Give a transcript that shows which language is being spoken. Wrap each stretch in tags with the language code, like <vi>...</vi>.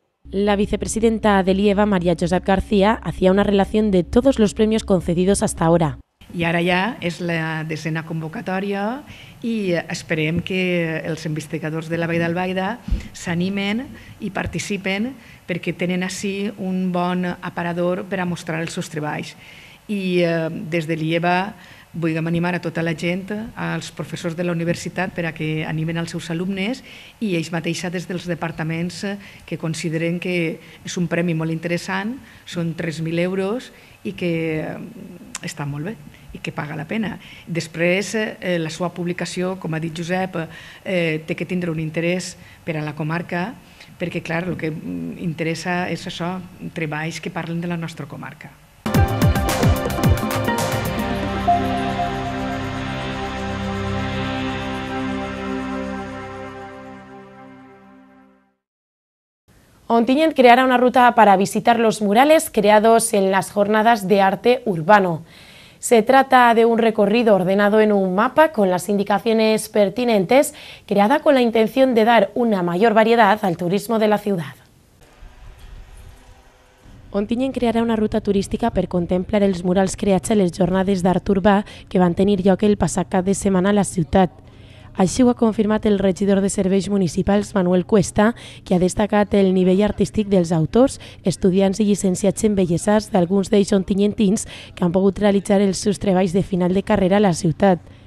<es>La vicepresidenta de Lieva, María Josep García, hacía una relación de todos los premios concedidos hasta ahora.</es> <ca>I ara ja és la 10ª convocatòria i esperem que els investigadors de la Vall d'Albaida s'animen i participen perquè tenen així un bon aparador per a mostrar els seus treballs. I des de Lieva vull animar a tota la gent, als professors de la universitat, per a que animen els seus alumnes i ells mateixos des dels departaments que consideren que és un premi molt interessant, són 3.000 euros i que està molt bé i que paga la pena. Després, la seva publicació, com ha dit Josep, té que tindre un interès per a la comarca, perquè, clar, el que interessa és això, treballs que parlen de la nostra comarca. Ontinyent crearà una ruta per a visitar els murals creats en les jornades d'</ca> <es>arte urbano. Se trata de un recorrido ordenado en un mapa con las indicaciones pertinentes, creada con la intención de dar una mayor variedad al turismo de la ciudad.</es> <ca>Ontinyent crearà una ruta turística per contemplar els murals creats a les jornades d'art urbà que van tenir lloc el passat cap de setmana a la ciutat. Així ho ha confirmat el regidor de Serveis Municipals, Manuel Cuesta, que ha destacat el nivell artístic dels autors, estudiants i llicenciats en belles arts d'alguns d'ells ontinyentins que han pogut realitzar els seus treballs de final de carrera a la ciutat.</ca>